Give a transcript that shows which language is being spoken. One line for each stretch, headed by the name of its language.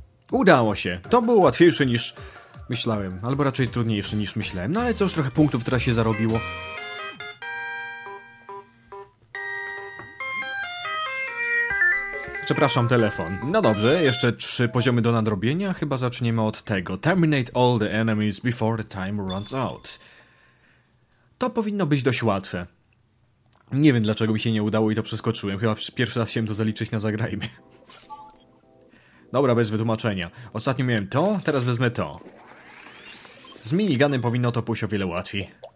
Polish: Udało się. To było łatwiejsze niż myślałem. Albo raczej trudniejsze niż myślałem. No ale co, już trochę punktów teraz się zarobiło. Przepraszam, telefon. No dobrze, jeszcze 3 poziomy do nadrobienia. Chyba zaczniemy od tego.
English: Terminate all the enemies before the time runs out.
Polish: To powinno być dość łatwe. Nie wiem, dlaczego mi się nie udało i to przeskoczyłem. Chyba pierwszy raz chciałem to zaliczyć na zagrajmy. Dobra, bez wytłumaczenia. Ostatnio miałem to, teraz wezmę to. Z miniganem powinno to pójść o wiele łatwiej.